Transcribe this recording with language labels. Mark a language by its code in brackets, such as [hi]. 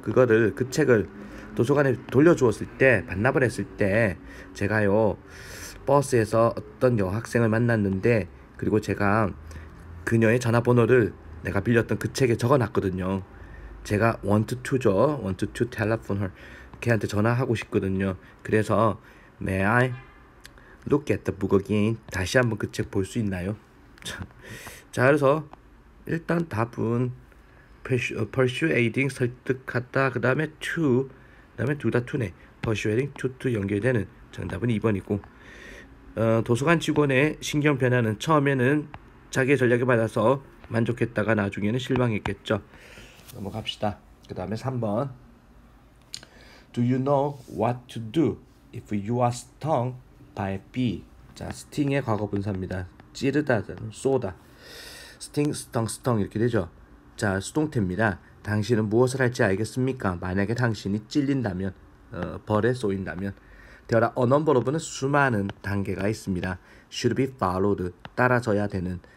[ko] 그거를 그 책을 도서관에 돌려주었을 때 반납을 했을 때 제가요. 버스에서 어떤 여학생을 만났는데 그리고 제가 그녀의 전화번호를 내가 빌렸던 그 책에 적어 놨거든요. 제가 [en] want to죠. want to telephone her. [ko] 걔한테 전화하고 싶거든요. 그래서 [en] may I Look at the book again. [ko] 다시 한번 그책볼수 있나요? 참. 자, 그래서 일단 답은 persuading 설득하다. 그 다음에 to, 그 다음에 둘다 to네. persuading to 연결되는 정답은 2번이고. 도서관 직원의 신경 변화는 처음에는 자기의 전략에 받아서 만족했다가 나중에는 실망했겠죠. 넘어갑시다. 그 다음에 3번. [en] Do you know what to do if you are stung? by B. [ko] 자, 스팅의 과거 분사입니다. 찌르다, 쏘다. 스팅, 스텅, 스텅 이렇게 되죠. 자, 수동태입니다. 당신은 무엇을 할지 알겠습니까? 만약에 당신이 찔린다면, 벌에 쏘인다면. [en] There are a number of [ko] 수많은 단계가 있습니다. [en] Should be followed. [ko] 따라져야 되는.